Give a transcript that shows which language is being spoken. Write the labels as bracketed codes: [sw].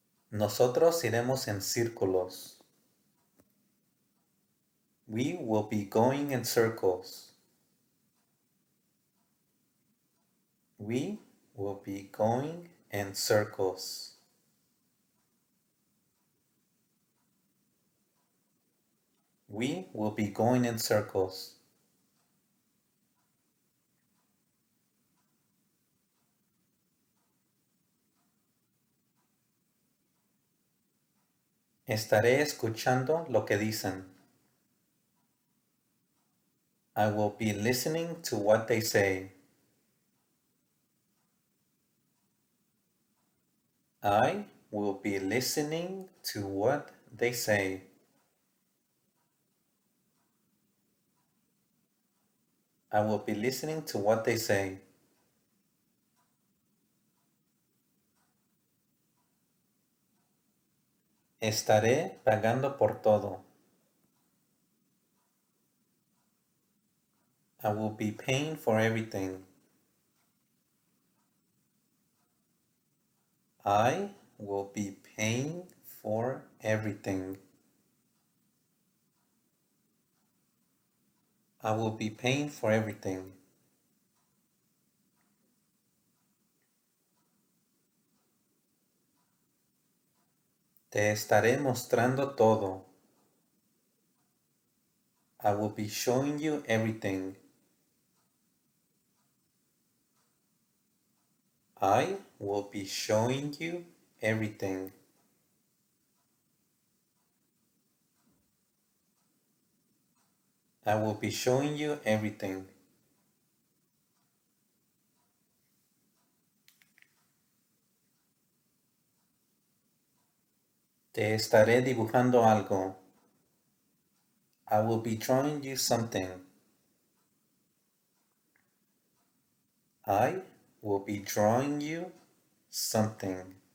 [es] Nosotros iremos en círculos. [en] We will be going in circles. We will be going in circles. We will be going in circles. [es] Estaré escuchando lo que dicen. [en] I will be listening to what they say. I will be listening to what they say. I will be listening to what they say. [es] Estaré pagando por todo. [en] I will be paying for everything. I will be paying for everything. I will be paying for everything. [es] Te estaré mostrando todo. [en] I will be showing you everything. I will be showing you everything. I will be showing you everything. [es] Te estaré dibujando algo. [en] I will be drawing you something. I will be drawing you something.